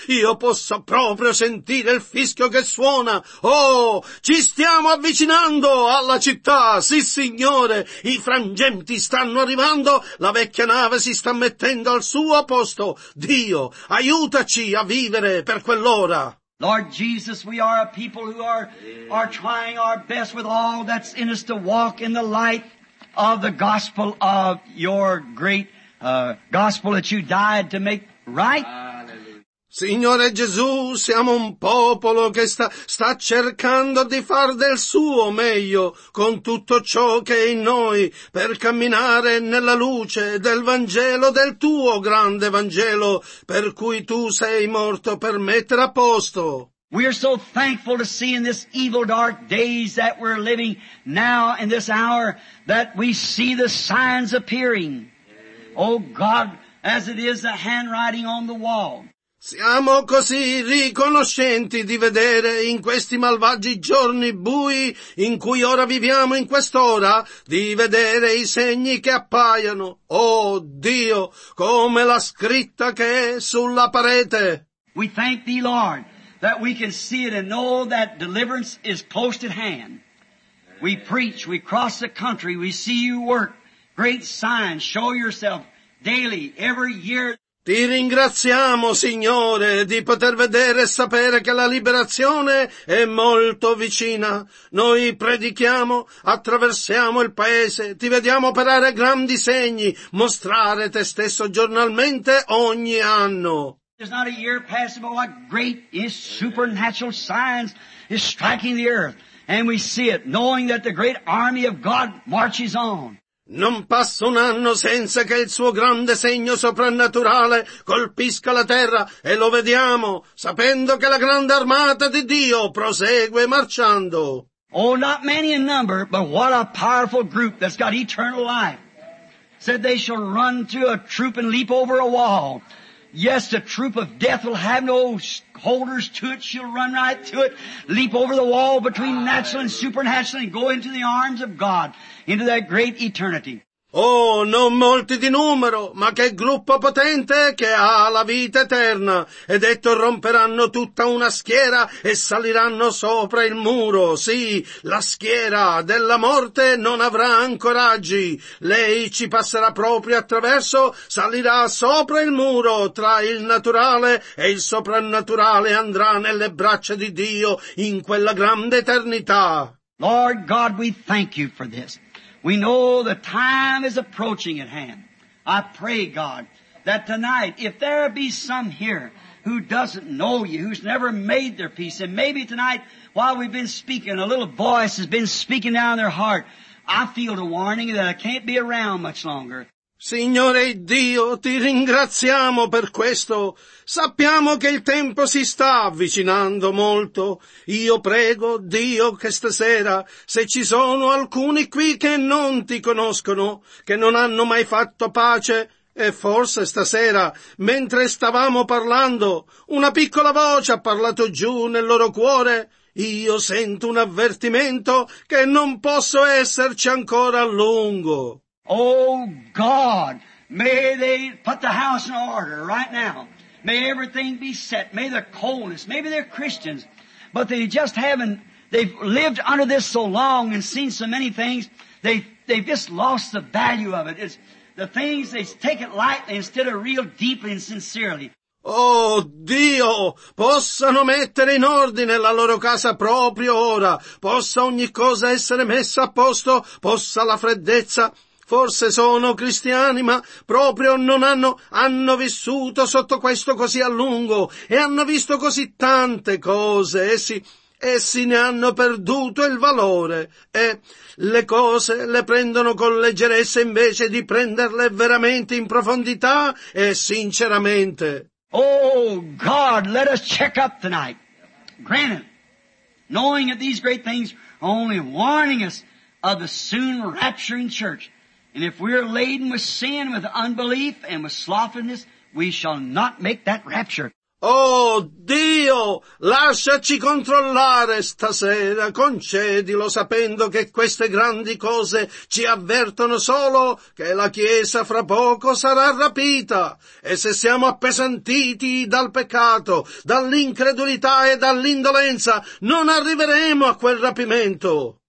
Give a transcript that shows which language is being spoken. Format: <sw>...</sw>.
<it>Io posso proprio sentire il fischio che suona. Oh, ci stiamo avvicinando alla città, sì signore, i frangenti stanno arrivando, la vecchia nave si sta mettendo al suo posto. Dio, aiutaci a vivere per quell'ora.</it> <en>Lord Jesus, we are a people who are trying our best with all that's in us to walk in the light of the gospel of your great gospel that you died to make right.</en> <it>Signore Gesù, siamo un popolo che sta cercando di far del suo meglio con tutto ciò che è in noi per camminare nella luce del Vangelo, del tuo grande Vangelo per cui tu sei morto per mettere a posto.</it> <en>We are so thankful to see in this evil dark days that we're living now in this hour that we see the signs appearing. Oh God, as it is the handwriting on the wall.</en> <it>Siamo così riconoscenti di vedere in questi malvagi giorni bui in cui ora viviamo in quest'ora, di vedere i segni che appaiono, oh Dio, come la scritta che è sulla parete.</it> <en>We thank Thee, Lord, that we can see it and know that deliverance is close at hand. We preach, we cross the country, we see You work. Great signs, show Yourself daily, every year.</en> <it>Ti ringraziamo, Signore, di poter vedere e sapere che la liberazione è molto vicina. Noi predichiamo, attraversiamo il paese, ti vediamo operare grandi segni, mostrare te stesso giornalmente ogni anno.</it> <en>There's not a year passing but what great is supernatural signs is striking the earth, and we see it, knowing that the great army of God marches on.</en> <it>Non passa un anno senza che il suo grande segno soprannaturale colpisca la terra e lo vediamo, sapendo che la grande armata di Dio prosegue marciando.</it> <en>Oh, not many in number, but what a powerful group that's got eternal life. Said they shall run through a troop and leap over a wall. Yes, the troop of death will have no holders to it. She'll run right to it, leap over the wall between natural and supernatural and go into the arms of God, into that great eternity.</en> <it>Oh, non molti di numero, ma che gruppo potente che ha la vita eterna. E detto romperanno tutta una schiera e saliranno sopra il muro. Sì, la schiera della morte non avrà ancoraggi. Lei ci passerà proprio attraverso, salirà sopra il muro tra il naturale e il soprannaturale e andrà nelle braccia di Dio in quella grande eternità.</it> <en>Lord God, we thank You for this. We know the time is approaching at hand. I pray, God, that tonight, if there be some here who doesn't know You, who's never made their peace, and maybe tonight, while we've been speaking, a little voice has been speaking down their heart, I feel the warning that I can't be around much longer.</en> <it>Signore Dio, ti ringraziamo per questo. Sappiamo che il tempo si sta avvicinando molto. Io prego, Dio, che stasera, se ci sono alcuni qui che non ti conoscono, che non hanno mai fatto pace, e forse stasera, mentre stavamo parlando, una piccola voce ha parlato giù nel loro cuore. Io sento un avvertimento che non posso esserci ancora a lungo.</it> <en>Oh God, may they put the house in order right now. May everything be set. May the coldness, maybe they're Christians, but they just haven't, they've lived under this so long and seen so many things, they've just lost the value of it. It's the things, they take it lightly instead of real deeply and sincerely.</en> <it>Oh Dio, possano mettere in ordine la loro casa proprio ora, possa ogni cosa essere messa a posto, possa la freddezza. Forse sono cristiani, ma proprio non hanno vissuto sotto questo così a lungo e hanno visto così tante cose, essi ne hanno perduto il valore e le cose le prendono con leggerezza invece di prenderle veramente in profondità e sinceramente.</it> <en>Oh God, let us check up tonight. Granted, knowing that these great things are only warning us of the soon rapturing church. And if we're laden with sin, with unbelief, and with slothfulness, we shall not make that rapture.</en> <it>Oh Dio, lasciaci controllare stasera, concedilo sapendo che queste grandi cose ci avvertono solo che la Chiesa fra poco sarà rapita. E se siamo appesantiti dal peccato, dall'incredulità e dall'indolenza, non arriveremo a quel rapimento.</it>